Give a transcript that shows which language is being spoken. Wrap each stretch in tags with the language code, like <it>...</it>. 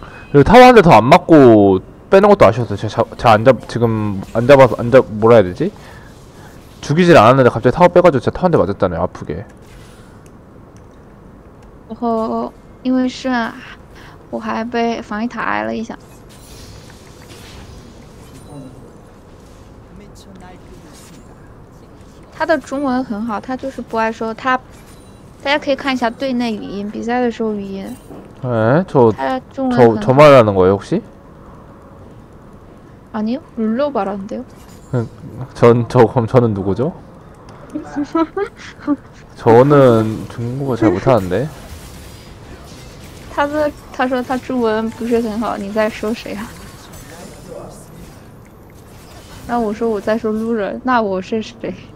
<ko>그리고 타워 한 대 더 안 맞고 빼는 것도 아쉬웠어. 제가 안 잡, 지금 안 잡아서 안 잡, 뭐라 해야 되지? 죽이질 않았는데 갑자기 타워 빼가지고 제가 타워 한 대 맞았다네요. 아프게.</ko> <zh>然后因为是我还被防御塔挨了一下。他的中文很好，他就是不爱说他。大家可以看一下队内语音，比赛的时候语音。</zh> <ko>에? 저 말하는 거예요 혹시? 아니요 룰러 말하는데요. 저는 누구죠? 저는 중국어 잘 못하는데.</ko> <zh>他说他 중문 不是很好，你在说谁啊？那我说我在说路人，那我是谁？</zh>